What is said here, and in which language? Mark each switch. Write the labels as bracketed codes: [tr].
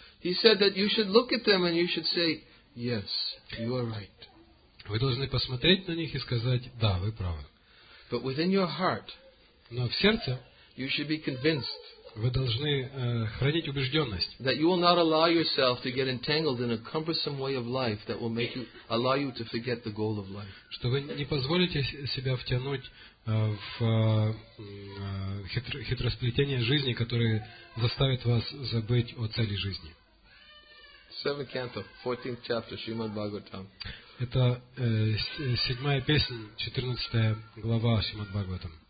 [en] He said that you should look at them and you should say, yes, you are right. [ru] Вы должны посмотреть на них и сказать, да, вы правы. [en] But within your heart, [ru] но в сердце [en] you should be convinced, [ru] вы должны хранить убежденность, [en] that you will not allow yourself to get entangled in a cumbersome way of life that will make you allow you to forget the goal of life. [ru] Что вы не позволите себя втянуть в хитросплетение жизни, которое заставит вас забыть о цели жизни. [en] 7th canto, 14th chapter, Srimad Bhagavatam. [ru] Это седьмая песня, 14 глава Шримад Бхагаватам.